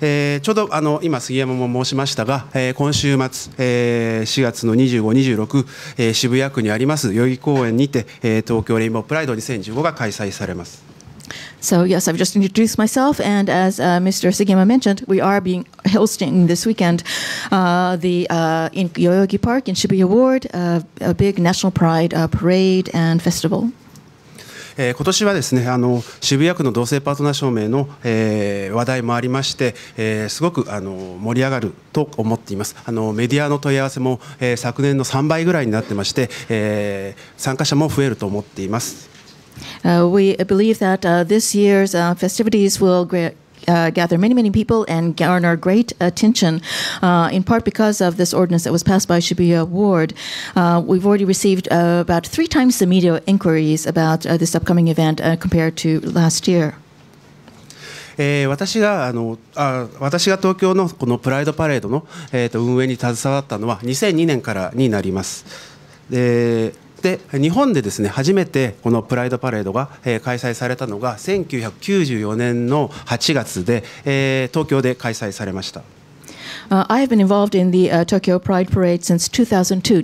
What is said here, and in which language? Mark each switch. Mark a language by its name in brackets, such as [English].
[Japanese] ちょうど今杉山も申しましたが、今週末、4月の25、26、渋谷区にあります代々木公園にて、東京レインボープライド2015が開催されます。 [English] So yes, I've just introduced myself, and as Mr. Sugiyama mentioned, we are being hosting this weekend in Yoyogi Park in Shibuya Ward, a big national pride parade and festival. [Japanese] 今年はですね、渋谷区の同性パートナー証明の、話題もありまして、すごく盛り上がると思っています。メディアの問い合わせも、昨年の3倍ぐらいになってまして、参加者も増えると思っています。 [English] We believe that this year's festivities will gather many, many people and garner great attention, in part because of this ordinance that was passed by Shibuya Ward. We've already received about three times the media inquiries about this upcoming event compared to last year. [Japanese] 私が東京のこのプライドパレードの運営に携わったのは2002年からになります。で、日本でですね、初めてこのプライドパレードが開催されたのが1994年の8月で、東京で開催されました。 [English] I have been involved in the Tokyo Pride Parade since 2002.